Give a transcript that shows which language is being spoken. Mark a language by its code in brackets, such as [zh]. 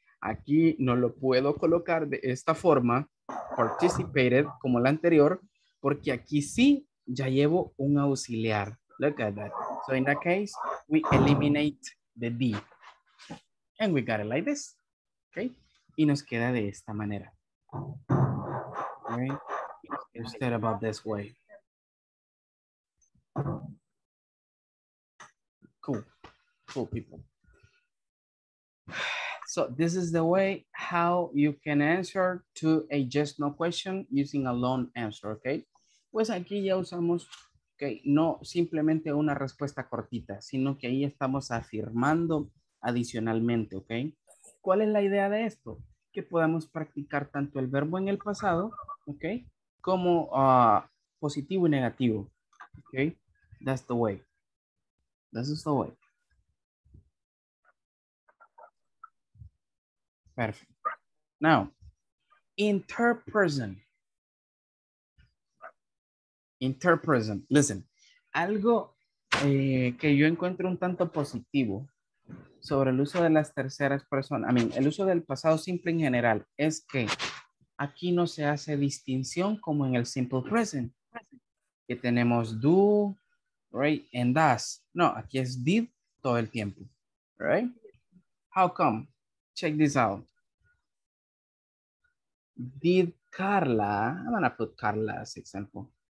[es] Aquí no lo puedo colocar de esta forma, participated, como la anterior, porque aquí sí ya llevo un auxiliar. [en] Look at that. So in that case, we eliminate the D. And we got it like this. Okay. [es] Y nos queda de esta manera. [en] Okay. Instead about this way. Cool. Cool people. So this is the way how you can answer to a just no question using a long answer. [es] Okay. Pues aquí ya usamos... Okay. No simplemente una respuesta cortita, sino que ahí estamos afirmando adicionalmente, ¿ok? ¿Cuál es la idea de esto? Que podamos practicar tanto el verbo en el pasado, ¿ok? Como positivo y negativo, [en] ¿ok? That's the way. This is the way. Perfect. Now, interpersonal. Interpersonal. [es] Listen, algo que yo encuentro un tanto positivo sobre el uso de las terceras personas, el uso del pasado simple en general, es que aquí no se hace distinción como en el simple present, que tenemos do, right, and does. No, aquí es did todo el tiempo, right? [en] How come? Check this out. Did Carla, I'm gonna put Carla as example.